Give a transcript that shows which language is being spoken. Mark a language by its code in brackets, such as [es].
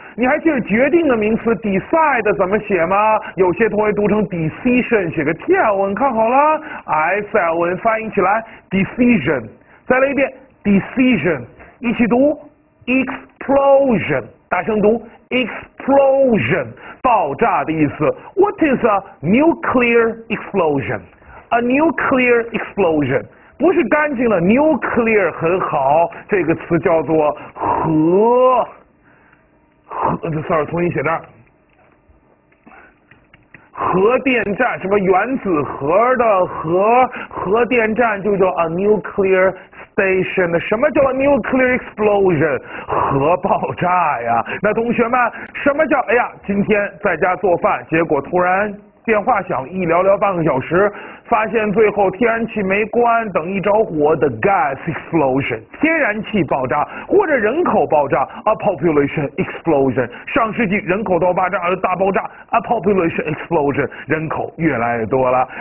[zh] 你还记得决定的名词 decide 怎么写吗？有些同学读成 decision， 写个 T-I-O-N， 看好了 ，S-I-O-N 发音起来 decision。再来一遍 decision， 一起读 explosion， 大声读 explosion， 爆炸的意思。 [en] What is a nuclear explosion？ A nuclear explosion [zh] 不是干净的 nuclear， 很好，这个词叫做核。核 sorry， 重新写这儿，核电站，什么原子核的核，核电站就叫 [en] a nuclear station。 [zh] 什么叫 nuclear explosion？核爆炸呀。那同学们，什么叫，哎呀，今天在家做饭，结果突然电话响，一聊聊半个小时，发现最后天然气没关，等一着火 [en] the gas explosion， [zh] 天然气爆炸，或者人口爆炸 [en] a population explosion， [zh] 上世纪人口都爆炸大爆炸 a population explosion， 人口越来越多了。